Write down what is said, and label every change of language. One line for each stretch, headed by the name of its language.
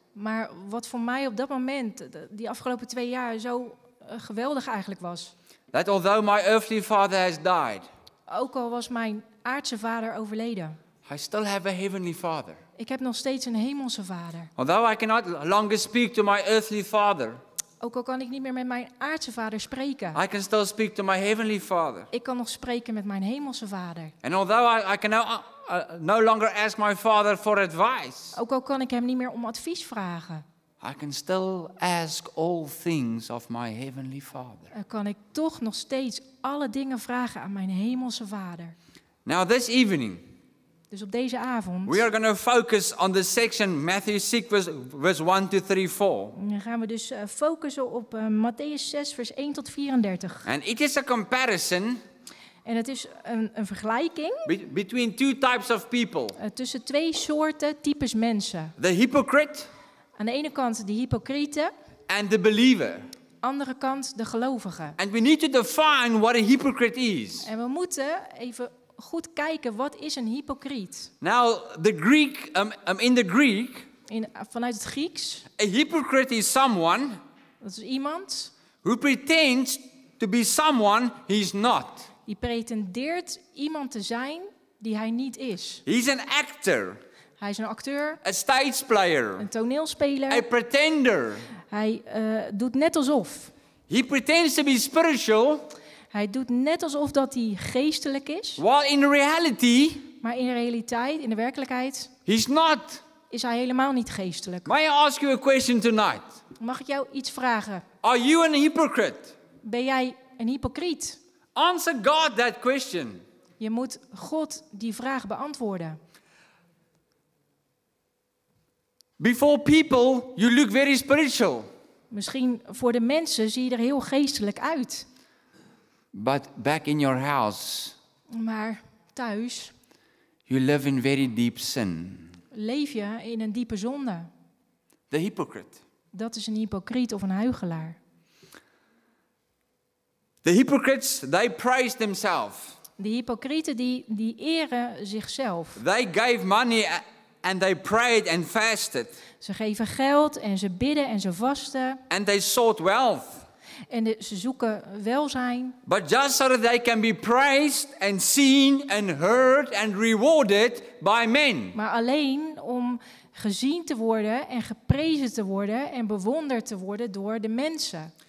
Dutch: Maar wat voor mij op dat moment, die afgelopen 2 jaar, zo geweldig eigenlijk was.
English: That although my earthly father has died.
Dutch: Ook al was mijn aardse vader overleden.
English: I still have a heavenly father.
Dutch: Ik heb nog steeds een hemelse vader.
English: Although I cannot longer speak to my earthly father.
Dutch: Ook al kan ik niet meer met mijn aardse vader spreken.
English: I can still speak to my heavenly father.
Dutch: Ik kan nog spreken met mijn hemelse vader.
English: And although I can no longer ask my father for advice.
Dutch: Ook al kan ik hem niet meer om advies vragen.
English: I can still ask all things of my heavenly father.
Dutch: Kan ik toch nog steeds alle dingen vragen aan mijn hemelse vader.
English: Now this evening.
Dutch: Dus op deze avond.
English: We are going to focus on the section Matthew 6 verse 1 to 3 4.
Dutch: Dan gaan we dus focussen op Matthäus 6 vers 1 tot 34.
English: And it is a comparison.
Dutch: En het is een vergelijking.
English: Between two types of people.
Dutch: Tussen twee soorten types mensen.
English: The hypocrite.
Dutch: Aan de ene kant de hypocrieten.
English: And the believer.
Dutch: Andere kant de gelovigen.
English: And we need to define what a hypocrite is.
Dutch: En we moeten even goed kijken, wat is een hypocriet?
English: Now, the Greek, in the Greek.
Dutch: Vanuit het Grieks.
English: A hypocrite is someone.
Dutch: Dat is iemand.
English: Who pretends to be someone he is not.
Dutch: Die pretendeert iemand te zijn die hij niet is.
English: He's an actor.
Dutch: Hij is een acteur.
English: A stage player.
Dutch: Een toneelspeler.
English: A pretender.
Dutch: Hij doet net alsof.
English: He pretends to be spiritual.
Dutch: Hij doet net alsof dat hij geestelijk is.
English: While in reality,
Dutch: maar in de realiteit, in de werkelijkheid,
English: he's not.
Dutch: Is hij helemaal niet geestelijk.
English: May I ask you a question tonight?
Dutch: Mag ik jou iets vragen?
English: Are you a hypocrite?
Dutch: Ben jij een hypocriet?
English: Answer God that question.
Dutch: Je moet God die vraag beantwoorden.
English: Before people, you look very spiritual.
Dutch: Misschien voor de mensen zie je er heel geestelijk uit.
English: But back in your house.
Dutch: Maar thuis.
English: You live in very deep sin.
Dutch: Leef je in een diepe zonde.
English: The hypocrite.
Dutch: Dat is een hypocriet of een huichelaar.
English: The hypocrites, they praise themselves.
Dutch: De hypocrieten die eren zichzelf.
English: They gave money and they prayed and fasted.
Dutch: Ze geven geld en ze bidden en ze vasten.
English: And they sought wealth.
Dutch: En ze zoeken welzijn.
English: But just so that they can be praised and seen and heard and rewarded by men.
Dutch: Maar alleen om gezien te worden en geprezen te worden en bewonderd te worden door de mensen.